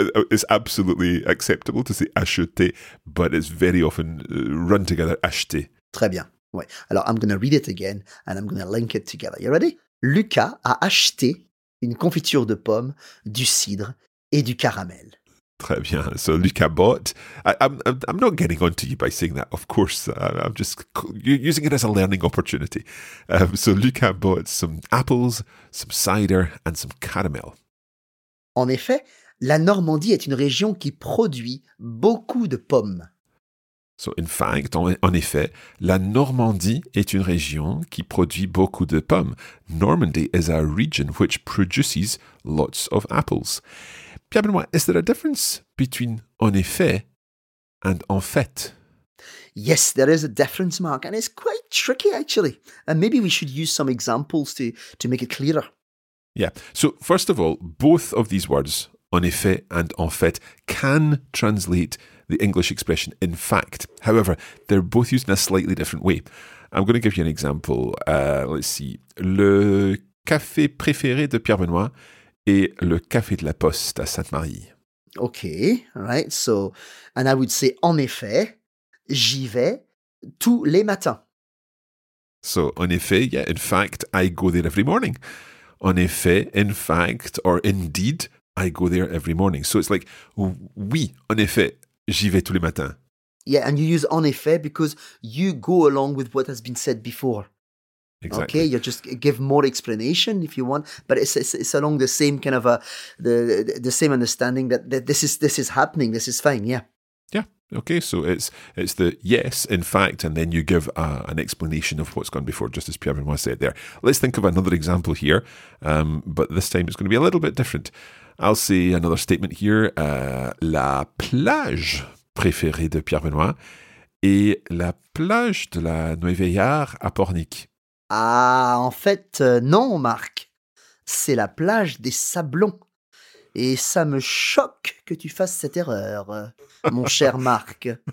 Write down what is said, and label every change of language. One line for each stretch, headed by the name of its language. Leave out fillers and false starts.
English: It's absolutely acceptable to say acheter, but it's very often run together, acheter.
French: Très bien, ouais.
English: Alors, I'm going to read it again and I'm going to link it together. You ready?
French: Lucas a acheté une confiture de pommes, du cidre et du caramel. Très bien.
English: So Lucas bought. I'm not getting on to you by saying that, of course. I'm just using it as a learning opportunity. So Lucas bought some apples, some cider and some caramel.
French: En effet, la Normandie est une région qui produit beaucoup de pommes.
English: So in fact,
French: en effet, la Normandie est une région qui produit beaucoup de pommes.
English: Normandy is a region which produces lots of apples. Pierre-Benoît, is there a difference between en effet and en fait? Yes, there is a difference, Mark, and it's quite tricky actually. And maybe we should use some examples to make it clearer. Yeah, so first of all, both of these words, en effet and en fait, can translate the English expression in fact. However, they're both used in a slightly different way. I'm going to give you an example. Let's see.
French: Le café préféré de Pierre-Benoît et le café de la Poste à Sainte-Marie.
English: Okay, right. So, and I would say,
French: en effet, j'y vais tous les matins.
English: So, en effet, yeah, in fact, I go there every morning. En effet, in fact, or indeed, I go there every morning. So it's like,
French: oui, en effet, j'y vais tous les matins.
English: Yeah, and you use en effet because you go along with what has been said before. Exactly. Okay, you just give more explanation if you want, but it's along the same kind of the same understanding that this is happening. This is fine. Yeah. Yeah. Okay. So it's the yes, in fact, and then you give an explanation of what's gone before, just as Pierre-Benoît said there. Let's think of another example here, but this time it's going to be a little bit different. I'll say another statement here.
French: La plage préférée de Pierre-Benoît est la plage de la Nouvelle-Villard à Pornic. Ah, en fait, non, Marc. C'est la plage des Sablons. Et ça me choque que tu fasses cette erreur, mon cher Marc.